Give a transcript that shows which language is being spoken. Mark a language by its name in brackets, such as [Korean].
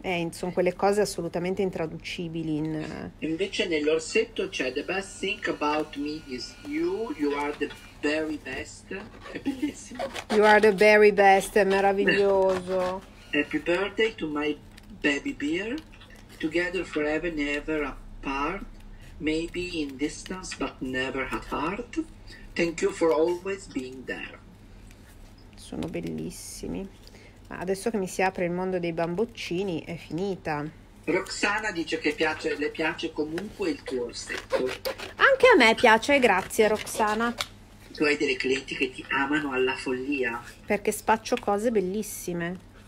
[Italian] Sono quelle cose assolutamente intraducibili. Invece nell'orsetto c'è [English] The best thing about me is you. You are the very best. [Italian] È bellissimo. [English] You are the very best. [Italian] È meraviglioso. [English] Happy birthday to my baby bear. Together forever and ever apart. Maybe in distance but never apart. Thank you for always being there. [Italian] Sono bellissimi. Adesso che mi si apre il mondo dei bamboccini, è finita. Roxana dice che piace, le piace comunque il tuo orsetto. Anche a me piace, grazie Roxana. Tu hai delle clienti che ti amano alla follia. Perché spaccio cose bellissime.